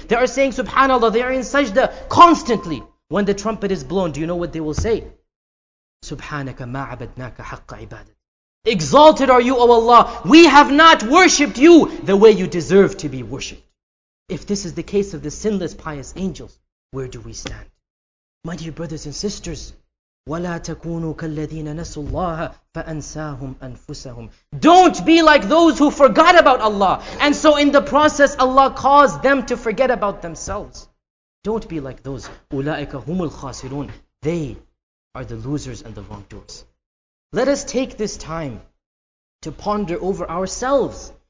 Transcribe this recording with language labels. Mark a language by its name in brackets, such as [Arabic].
[English] They are saying subhanallah, they are in sajda constantly. When the trumpet is blown, do you know what they will say? [Arabic] Subhanaka ma'abadnaka haqqa ibadat. [English] Exalted are you, O Allah. We have not worshipped you the way you deserve to be worshipped. If this is the case of the sinless, pious angels, where do we stand? My dear brothers and sisters, [Arabic] وَلَا تَكُونُوا كَالَّذِينَ نَسُوا اللَّهَ فَأَنْسَاهُمْ أَنفُسَهُمْ. [English] Don't be like those who forgot about Allah. And so in the process, Allah caused them to forget about themselves. Don't be like those. [Arabic] أُولَٰئِكَ هُمُ الْخَاسِرُونَ. [English] They are the losers and the wrongdoers. Let us take this time to ponder over ourselves.